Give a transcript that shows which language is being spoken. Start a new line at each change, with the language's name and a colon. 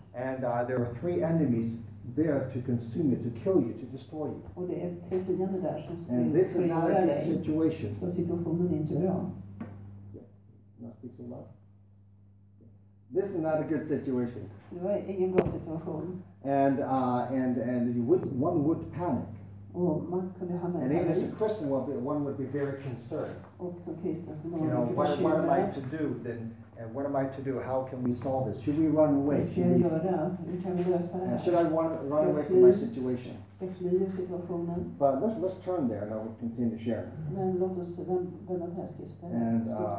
English: And there are three enemies there to consume you, to kill you, to destroy you.
Swedish: Och det är tre fiender där som
English: and this is not a good situation.
Swedish: Så situationen är inte bra.
English: Not speak so loud. This is not a good situation.
Swedish: Det var ingen bra situation.
English: And you would, one would panic.
Swedish: Och man kunde ha med
English: and even as a Christian, one would be very concerned.
Swedish: Och som kristen skulle man vara mycket bekymrad.
English: You know, what am I to do then? And what am I to do? How can we solve this? Should we run away?
Swedish: Ska jag göra? Hur kan vi lösa det?
English: Should I run away from my situation?
Swedish: Ska jag fly ur situationen?
English: But let's turn there and I will continue to share.
Swedish: Men låt oss vända den här skriftstället.